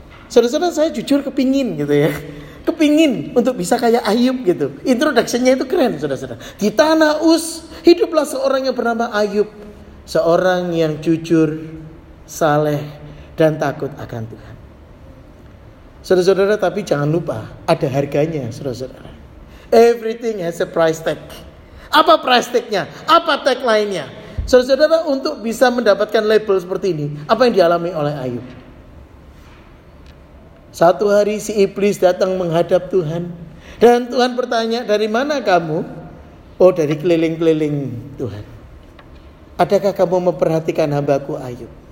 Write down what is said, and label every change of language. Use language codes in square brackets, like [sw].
[id] Saudara-saudara, saya jujur kepingin gitu ya, kepingin untuk bisa kayak Ayub gitu. Introduction-nya itu keren, saudara-saudara. Di tanah Uz hiduplah seorang yang bernama Ayub, seorang yang jujur, saleh, dan takut akan Tuhan. Saudara-saudara, tapi jangan lupa ada harganya, saudara-saudara. [en] Everything has a price tag. [id] Apa price tag-nya? Apa tag lainnya? Saudara-saudara, untuk bisa mendapatkan label seperti ini, apa yang dialami oleh Ayub? Satu hari si iblis datang menghadap Tuhan. Dan Tuhan bertanya, dari mana kamu? Oh, dari keliling-keliling Tuhan. Adakah kamu memperhatikan hambaku Ayub?